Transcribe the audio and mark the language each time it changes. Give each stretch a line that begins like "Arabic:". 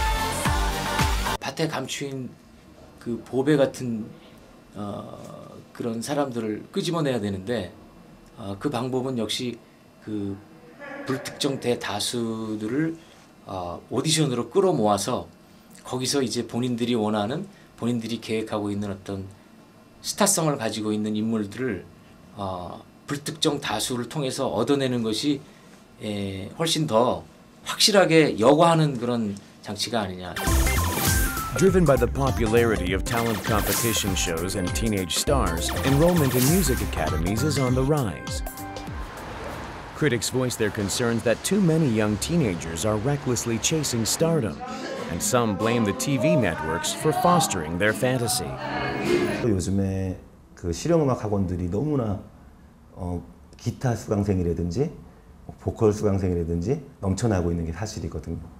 Korean: 위해 밭에 감추인 그 보배 같은 그런 사람들을 끄집어내야 되는데 그 방법은 역시 그 불특정 대다수들을 오디션으로 끌어모아서 거기서 이제 본인들이 원하는 본인들이 계획하고 있는 어떤 스타성을 가지고 있는 인물들을 불특정 다수를 통해서 얻어내는 것이 훨씬 더 확실하게 여과하는 그런 장치가 아니냐.
English: Driven by the popularity of talent competition shows and teenage stars, enrollment in music academies is on the rise. Critics voice their concerns that too many young teenagers are recklessly chasing stardom, and some blame the TV networks for fostering their fantasy.
Korean: 요즘에 그 실용 음악 학원들이 너무나 기타 수강생이라든지 보컬 수강생이라든지 넘쳐나고 있는 게 사실이거든요.